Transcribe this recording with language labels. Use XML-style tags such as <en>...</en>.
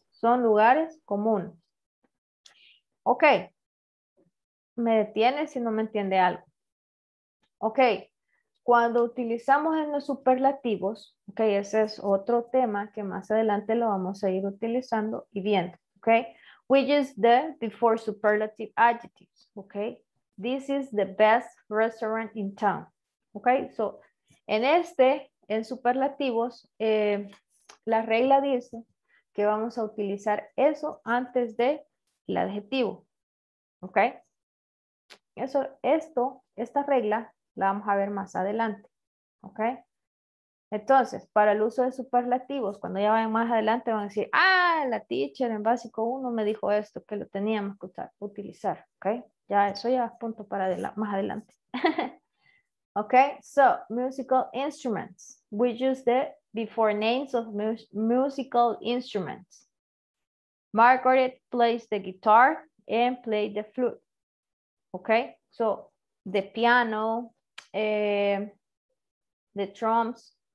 <es>Son lugares comunes. Okay, me detiene si no me entiende algo. Okay, cuando utilizamos en los superlativos, okay, ese es otro tema que más adelante lo vamos a ir utilizando y viendo, okay?</es> <en>Which is the before superlative adjectives, okay? This is the best restaurant in town, okay?</en> <es>So, en este, en superlativos, la regla dice que vamos a utilizar eso antes de el adjetivo, okay? Eso, esto, esta regla, la vamos a ver más adelante, okay? Entonces, para el uso de superlativos, cuando ya vayan más adelante, van a decir, ah, la teacher en básico 1 me dijo esto, que lo teníamos que utilizar, okay? Ya, eso ya es punto para más adelante.</es> <en>Okay, so, musical instruments. We use the before names of musical instruments. Margaret plays the guitar and played the flute. Okay, so, the piano, the drums.</en>